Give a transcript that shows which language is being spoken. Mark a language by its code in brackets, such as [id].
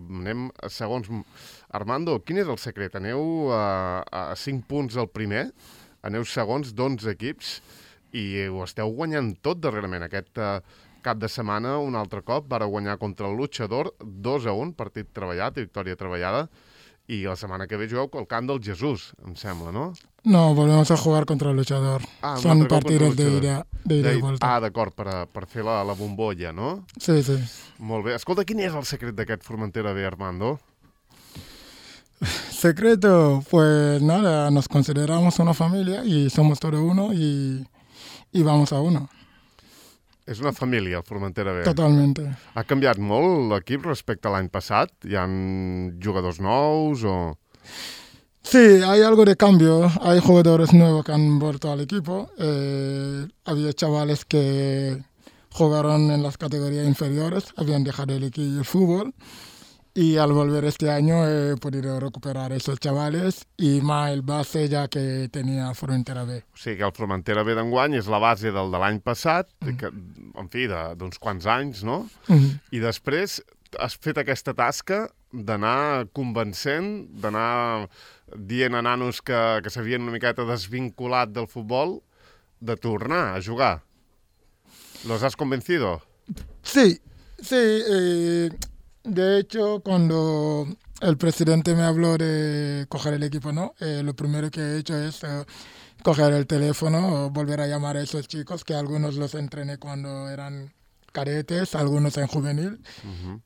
[ca] Anem a segons. Armando, quin és el secret? Aneu a 5 punts el primer, aneu segons d'11 equips i ho esteu guanyant tot darrerament. Aquest cap de setmana, un altre cop, vareu guanyar contra el Luchador 2-1, partit treballat, victòria treballada, i la setmana que ve jugueu al Camp del Jesús, em sembla, no? [es] No, volvemos a jugar contra el Luchador. Ah, son partidos de ida y vuelta. [ca] Ah, d'acord, per fer la bombolla, no? Sí, sí. Molt bé. Escolta, quin és el secret d'aquest Formentera B, Armando? [es] Secreto, pues nada, nos consideramos una familia y somos todo uno y vamos a uno. [ca] És una família, el Formentera B. Totalment. Ha canviat molt l'equip respecte a l'any passat? Hi han jugadors nous o...? [es] Sí, hay algo de cambio. Hay jugadores nuevos que han vuelto al equipo. Había chavales que jugaron en las categorías inferiores, habían dejado el equipo y el fútbol. Y al volver este año he podido recuperar esos chavales y más el base ya que tenía Formentera B. [ca] O sigui que el Formentera B d'enguany és la base del de l'any passat, que, en fi, d'uns quants anys, no? I després has fet aquesta tasca d'anar convencent, d'anar dient a nanos que s'havien una miqueta desvinculat del futbol, de tornar a jugar. [es] ¿Los has convencido? Sí, sí. De hecho, cuando el presidente me habló de coger el equipo, ¿no? Lo primero que he hecho es coger el teléfono, volver a llamar a esos chicos, que algunos los entrené cuando eran cadetes, algunos en juvenil. Uh-huh.